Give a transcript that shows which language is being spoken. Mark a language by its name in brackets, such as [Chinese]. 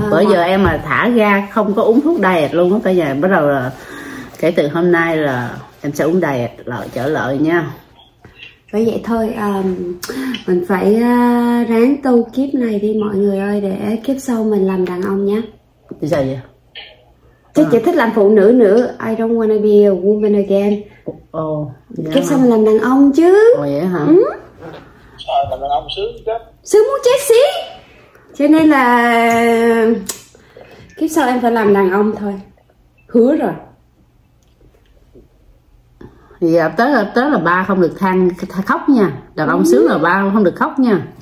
[Vietnamese] bởi giờ em mà thả ra không có uống thuốc diet luôn á cả nhà, bắt đầu là kể từ hôm nay là em sẽ uống diet lợi trở lợi nha. Với vậy thôi, mình phải ráng tu kiếp này đi mọi người ơi, để kiếp sau mình làm đàn ông nhé. Sao vậy? Chứ chỉ thích làm phụ nữ nữa. [English] I don't wanna be a woman again. [Vietnamese] Kiếp sau mình làm đàn ông chứ. Vậy hả? Làm đàn ông sướng chứ. Sướng muốn chết xí. Cho nên là kiếp sau em phải làm đàn ông thôi. Hứa rồi. Thì tới là ba không được than khóc nha. Đàn ông sướng là ba không được khóc nha.